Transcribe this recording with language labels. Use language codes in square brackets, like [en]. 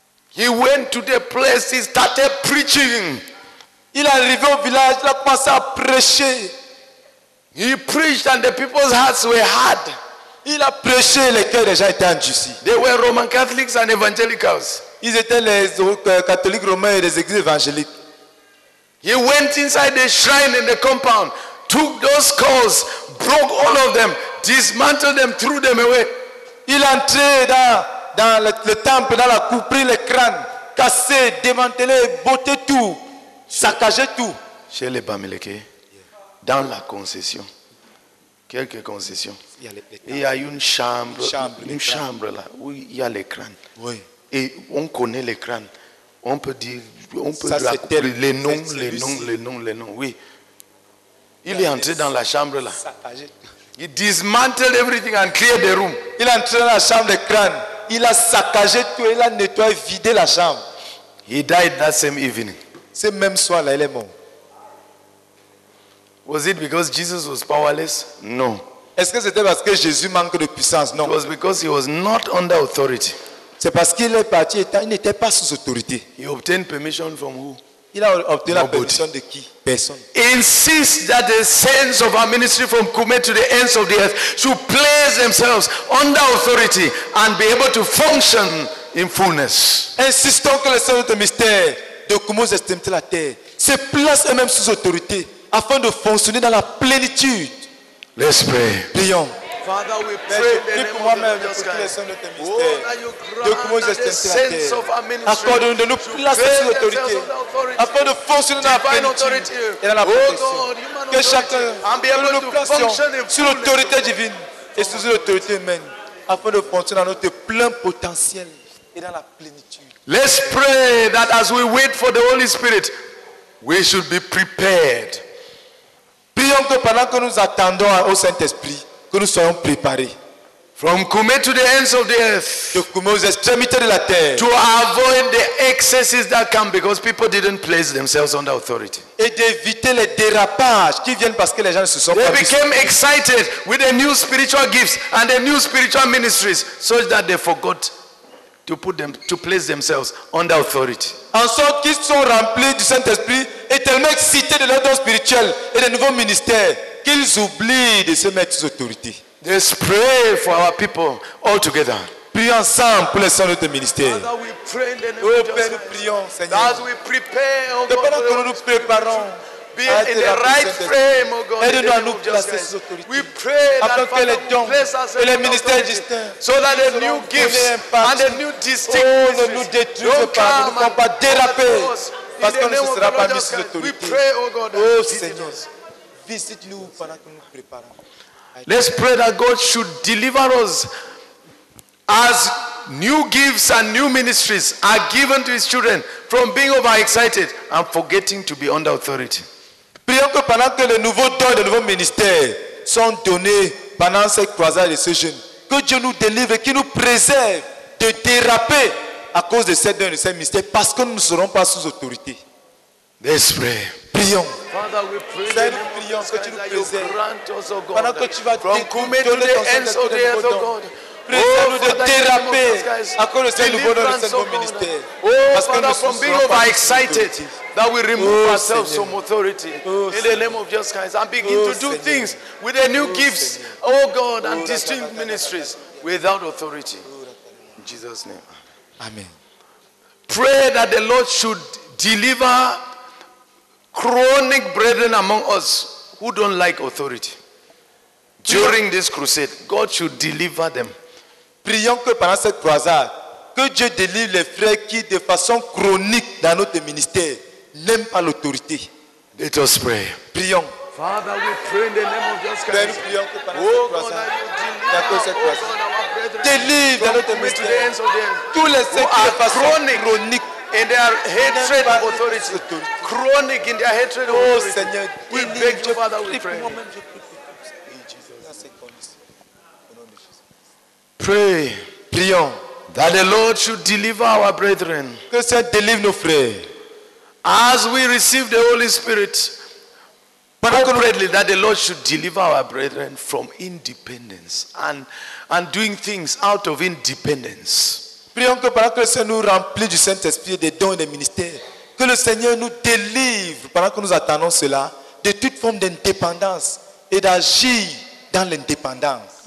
[en] He went to the place, he started preaching. [fr] Il est arrivé au village, il a commencé à prêcher. [en] He preached and the people's hearts were hard. [fr] Il a prêché, les cœurs des gens étaient endurcis. [en] They were Roman Catholics and Evangelicals. [fr] Ils étaient les catholiques romains et les églises évangéliques. [en] He went inside the shrine in the compound, took those skulls, broke all of them, dismantled them, threw them away. [fr] Il est entré dans le temple, dans la cour, pris les crânes, cassé, démantelé, botté tout. Saccager tout. Chez les Bamileke, dans la concession, quelques concessions, il y a une chambre là, où il y a l'écran. Oui. Et on connaît l'écran. On peut dire, on peut dire les noms. Oui. Il est entré dans la chambre là. Saccager. [en] Il dismantle everything and clear the room. [fr] Il est entré dans la chambre de crâne. Il a saccagé tout, il a nettoyé, vidé la chambre. [en] He died that same evening. [fr] Ce même soir, là, il est mort. [en] Was it because Jesus was powerless? No. [fr] Est-ce que c'était parce que Jésus manque de puissance? Non. [en] It was because he was not under authority. [fr] C'est parce qu'il est parti, il n'était pas sous autorité. [en] He obtained permission from who? [fr] Il a obtenu la permission de qui? Personne. [en] Insist that the saints of our ministry from Kume to the ends of the earth should place themselves under authority and be able to function in fullness. [fr] Insistons que les saints de mystère de Kumo estiment la terre se placent eux-mêmes sous autorité afin de fonctionner dans la plénitude. [en] Let's pray. [fr] Prions. [en] Father, we pray in the name of Jesus Christ. us the sense of our ministry. To place ourselves under authority. [fr] Afin de fonctionner dans la plénitude. [en] Oh God, human authority. And be able to function [fr] sous l'autorité divine et sous l'autorité humaine. Afin de fonctionner dans notre plein potentiel et dans la plénitude. [en] Let's pray that as we wait for the Holy Spirit, we should be prepared. [fr] Prions que pendant que nous attendons au Saint-Esprit, que nous soyons préparés. [en] From Kume to the ends of the earth. [fr] De Kume aux extrémités de la terre. [en] To avoid the excesses that come because people didn't place themselves under authority. [fr] Et d'éviter les dérapages qui viennent parce que les gens se sont pas. [en] They became excited with the new spiritual gifts and the new spiritual ministries such that they forgot to place themselves under authority. [fr] En sorte qu'ils sont remplis du Saint-Esprit et tellement excités de leur don spirituel et des nouveaux ministères qu'ils oublient de se mettre sous autorité. [en] Let's pray for our people all together. [fr] Prions ensemble pour les saints de ministère. Oh Père, nous prions, Seigneur. De pendant que nous nous préparons. [en] Be in the right frame, oh God. [fr] Aide-nous à nous placer sous autorité. [en] We pray that [fr] afin que les dons et les ministères distincts, [en] so that the new gifts and the new distinctions, [fr] oh, ne nous détruisent pas, ne nous font pas déraper, parce qu'on ne se sera pas mis sous autorité. [en] We pray, oh God. [fr] Oh Seigneur, visite-nous pendant que nous préparons. [en] Let's pray that God should deliver us as new gifts and new ministries are given to his children from being overexcited and forgetting to be under authority. [fr] Prions que pendant que les nouveaux dons et les nouveaux ministères sont donnés pendant cette croisade de ces jeunes, que Dieu nous délivre et qu'il nous préserve de déraper à cause de ces dons et de ces ministères parce que nous ne serons pas sous autorité. [en] Let's pray. [fr] Prions. [en] Father, we pray. [fr] Seigneur, nous prions que tu nous préserves pendant que tu vas te donner dans cette croisade de ces jeunes. Prions-nous de déraper à cause de ce nouveau dans le Saint-Bon ministère. Parce que nous sommes [en] over-excited, that we remove ourselves from authority in the name of Jesus Christ and begin to do things with the new gifts, oh God, and distinct ministries without authority. In Jesus' name. Amen. Pray that the Lord should deliver chronic brethren among us who don't like authority. During this crusade, God should deliver them. [fr] Prions que pendant cette croisade, que Dieu délivre les frères qui, de façon chronique dans notre ministère, n'aiment pas l'autorité. [en] Let us pray. [fr] Prions. [en] Father, we pray in the name of Jesus Christ. [fr] Père, nous prions que pendant cette croisade, délivre dans notre ministère tous les saints qui, de façon chronique, [en] in their hatred of authority. Chronic in their hatred of authority. [fr] Oh Seigneur, [en] we beg you, Father, we pray. Pray, [fr] prions, [en] that the Lord should deliver our brethren. [fr] Que le Seigneur délivre nos frères. [en] As we receive the Holy Spirit, appropriately, that the Lord should deliver our brethren from independence and doing things out of independence. [fr] Prions que pendant que le Seigneur nous remplit du Saint-Esprit, des dons et des ministères, que le Seigneur nous délivre, pendant que nous attendons cela, de toute forme d'indépendance et d'agir dans l'indépendance.